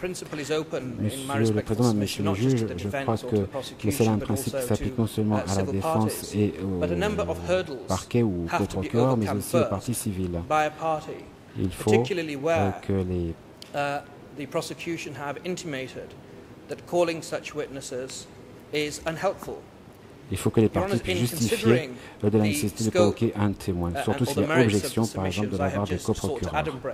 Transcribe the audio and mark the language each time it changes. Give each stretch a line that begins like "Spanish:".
French: Monsieur le Président, Monsieur le Juge, je crois que c'est un principe qui s'applique non seulement à la défense et au parquet ou au procureur, mais aussi aux parties civiles. Il faut que les
English: prosecution have intimated that calling such witnesses is unhelpful.
French: Il faut que les parties puissent justifier de la nécessité de convoquer un témoin, surtout s'il y a objection, par exemple, de la part des coprocureurs.